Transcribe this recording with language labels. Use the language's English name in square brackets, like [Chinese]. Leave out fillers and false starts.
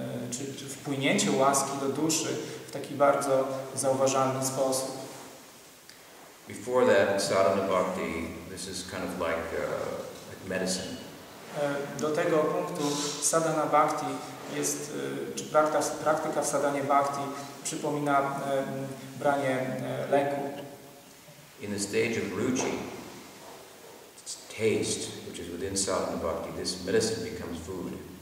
[Polish] czy wpłynięcie łaski do duszy w taki bardzo zauważalny sposób. [English] Before that, sadhana bhakti, this is kind of like medicine. [Polish] Do tego punktu sadhana bhakti jest, czy praktyka w sadhanie bhakti przypomina branie leku. [English] In the stage of ruchi, taste, which is within sadhana bhakti, this medicine becomes food.